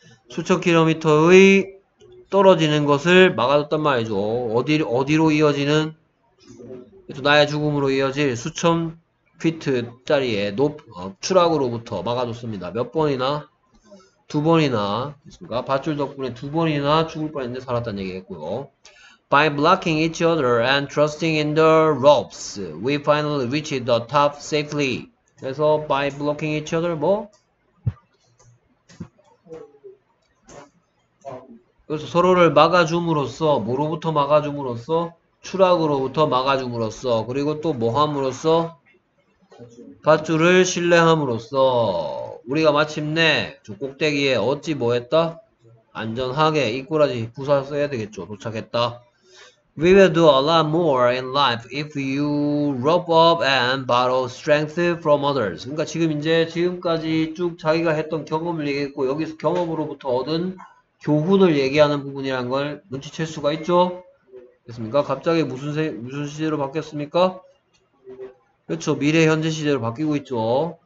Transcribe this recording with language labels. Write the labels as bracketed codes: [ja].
[ko] 수천 킬로미터의 떨어지는 것을 막아줬단 말이죠. 어디로 이어지는? 나의 죽음으로 이어질 수천 피트짜리의 추락으로부터 막아줬습니다. 몇 번이나? 두 번이나, 그니까 밧줄 덕분에 두 번이나 죽을 뻔했는데 살았다는 얘기 했고요. [en] By blocking each other and trusting in the ropes, we finally reached the top safely. [ko] 그래서 [en] by blocking each other [ko] 뭐? 그래서 서로를 막아줌으로써, 뭐로부터 막아줌으로써? 추락으로부터 막아줌으로써, 그리고 또 뭐함으로써? 밧줄을 신뢰함으로써, 우리가 마침내 저 꼭대기에 어찌 뭐했다? 안전하게 이꾸라지 부사 써야 되겠죠. 도착했다. [en] We will do a lot more in life if you rope up and borrow strength from others. [ko] 그러니까 지금 이제 지금까지 쭉 자기가 했던 경험을 얘기했고, 여기서 경험으로부터 얻은 교훈을 얘기하는 부분이란 걸 눈치챌 수가 있죠. 됐습니까? 갑자기 무슨 시대로 바뀌었습니까? 그렇죠. 미래 현재 시대로 바뀌고 있죠.